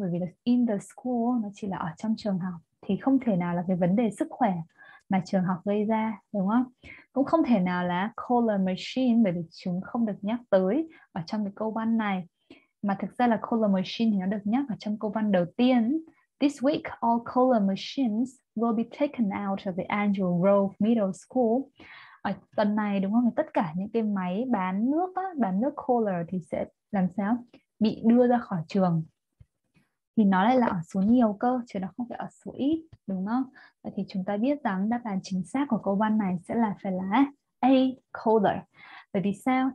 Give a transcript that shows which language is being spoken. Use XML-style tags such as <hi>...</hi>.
<vi>Bởi vì là</vi> <en>in the school</en> <vi>nó chỉ là ở trong trường học, thì không thể nào là cái vấn đề sức khỏe mà trường học gây ra, đúng không? Cũng không thể nào là cola machine, bởi vì chúng không được nhắc tới ở trong cái câu văn này. Mà thực ra là cola machine thì nó được nhắc ở trong câu văn đầu tiên.</vi> <en>This week, all cola machines will be taken out of the Angel Grove Middle School.</en> <vi>Ở tuần này, đúng không? Tất cả những cái máy bán nước á, bán nước cola thì sẽ làm sao? Bị đưa ra khỏi trường. Thì nó lại là ở số nhiều cơ, chứ nó không phải ở số ít, đúng không? Vậy thì chúng ta biết rằng đáp án chính xác của câu văn này sẽ là phải là A, cola. Bởi vì sao?</vi>